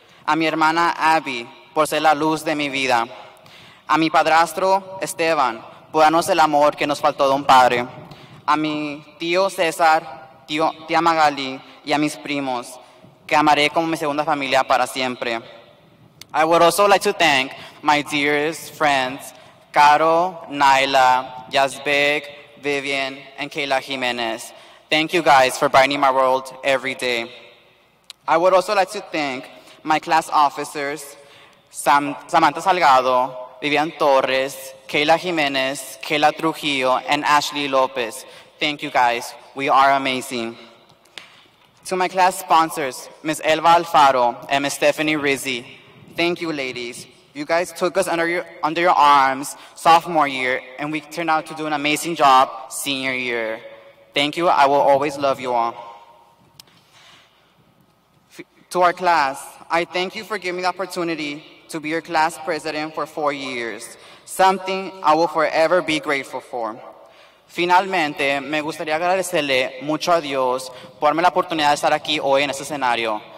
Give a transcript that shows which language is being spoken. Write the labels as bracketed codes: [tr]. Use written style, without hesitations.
[es] A mi hermana Abby, por ser la luz de mi vida. A mi padrastro Esteban, por darnos el amor que nos faltó de un padre. A mi tío César, tía Magali, y a mis primos, que amaré como mi segunda familia para siempre. [en] I would also like to thank my dearest friends, Caro, Naila, Yazbek, Vivian, and Kayla Jimenez. Thank you guys for brightening my world every day. I would also like to thank my class officers, Samantha Salgado, Vivian Torres, Kayla Jimenez, Kayla Trujillo, and Ashley Lopez. Thank you guys, we are amazing. To my class sponsors, Ms. Elva Alfaro and Ms. Stephanie Rizzi, thank you ladies. You guys took us under your arms sophomore year, and we turned out to do an amazing job senior year. Thank you, I will always love you all. To our class, I thank you for giving me the opportunity to be your class president for 4 years, something I will forever be grateful for. [es] Finalmente, me gustaría agradecerle mucho a Dios por darme la oportunidad de estar aquí hoy en este escenario.